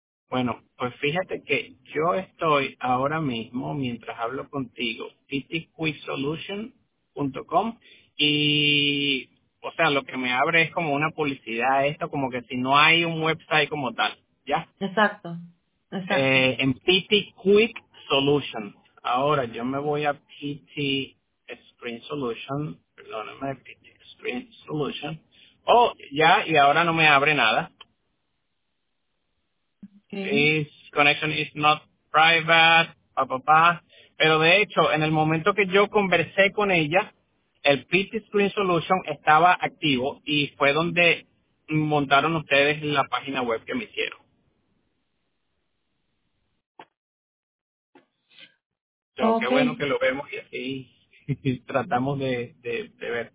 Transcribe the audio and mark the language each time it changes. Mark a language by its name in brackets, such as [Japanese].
[Spanish] Bueno, pues fíjate que yo estoy ahora mismo, mientras hablo contigo, ptquicksolution.com y o sea, lo que me abre es como una publicidad, esto como que si no hay un website como tal, ¿ya? Exacto. En PT Quick Solution. Ahora yo me voy a PT Screen Solution, perdóname, PT Screen Print Solution. Oh, ya, y ahora no me abre nada. Okay. [English] His connection is not private, papá. [Spanish] Pero de hecho, en el momento que yo conversé con ella, el PC Screen Solution estaba activo y fue donde montaron ustedes la página web que me hicieron. Okay. Qué bueno que lo vemos y así tratamos de ver.